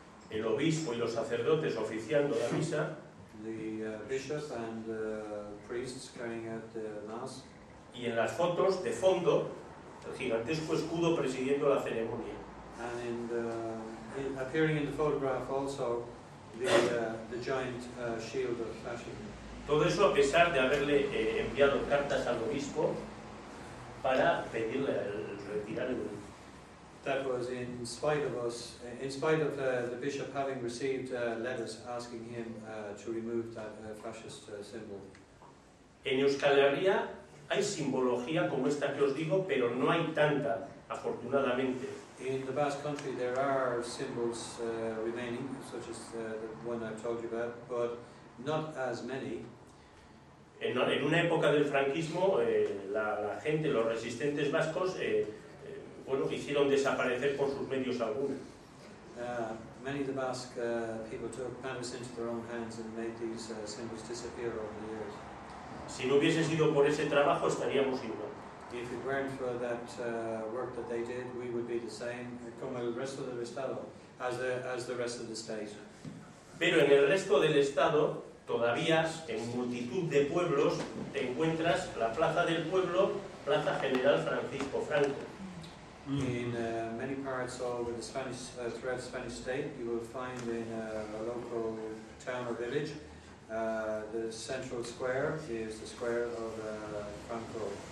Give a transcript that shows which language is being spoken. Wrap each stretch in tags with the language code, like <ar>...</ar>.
<es>El obispo y los sacerdotes oficiando la misa.</es> <en>The bishop and the priests carrying out the mass.</en> <es>Y en las fotos de fondo el gigantesco escudo presidiendo la ceremonia.</es> <en>And in the, appearing in the photograph also, the giant shield of fascism.</en> <es>Todo eso a pesar de haberle enviado cartas al obispo para pedirle retirar el.</es> <en>That was in spite of us, in spite of the bishop having received letters asking him to remove that fascist symbol.</en> <es>En Euskal Herria hay simbología como esta que os digo, pero no hay tanta, afortunadamente.</es> <en>In the Basque country there are symbols remaining, such as the one I've told you about, but not as many.</en> <es>En una época del franquismo, la gente, los resistentes vascos, bueno, hicieron desaparecer por sus medios alguna.</es> <en>Many of the Basque people took matters into their own hands and made these symbols disappear over the years.</en> <es>Si no hubiese sido por ese trabajo, estaríamos igual.</es> <en>If it weren't for that work that they did, we would be the same</en> <es>como el resto del Estado,</es> <en>as the rest of the state.</en> <es>Pero en el resto del Estado, todavía en multitud de pueblos, te encuentras la Plaza del Pueblo, Plaza General Francisco Franco.</es> <en>In many parts of the Spanish, throughout the Spanish state, you will find in a local town or village, the central square is the square of Franco.</en>